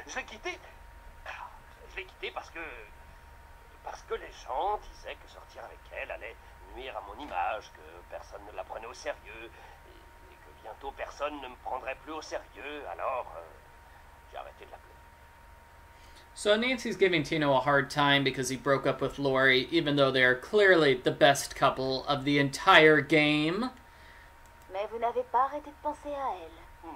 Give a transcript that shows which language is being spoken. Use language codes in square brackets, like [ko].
[fr] Je l'ai quitté parce que les gens disaient que sortir avec elle allait nuire à mon image, que personne ne la prenait au sérieux, et que bientôt personne ne me prendrait plus au sérieux, alors j'ai arrêté de l'appeler. [en] So Nancy's giving Tino a hard time because he broke up with Lori, even though they are clearly the best couple of the entire game. [fr] Mais vous n'avez pas arrêté de penser à elle.